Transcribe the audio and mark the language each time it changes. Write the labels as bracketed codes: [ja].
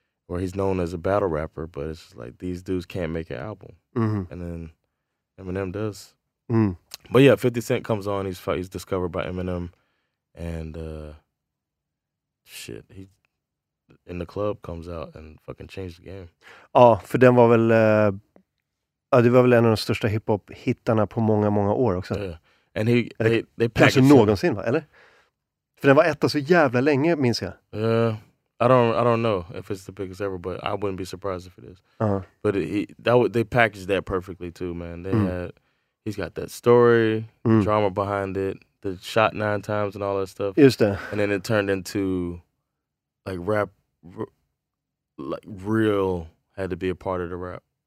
[en] or he's known as a battle rapper, but it's just like these dudes can't make an album. Mm-hmm. And then Eminem does. Mm. But yeah, 50 Cent comes on. He's discovered by Eminem, and shit, he in the club comes out and fucking changed the game. [sv] Ja, för den var väl det var väl en av de största hiphop hittarna på många många år också. [en] Yeah. And he they [sv] kanske någonsin va, eller? För den var etta så jävla länge, minns jag. [en] I don't know if it's the biggest ever, but I wouldn't be surprised if it is. Uh-huh. But they packaged that perfectly too, man. They had he's got that story, the drama behind it, the shot 9 times and all that stuff. [sv] Just det. [en] And then it turned into like rap, like real had to be a part of the rap.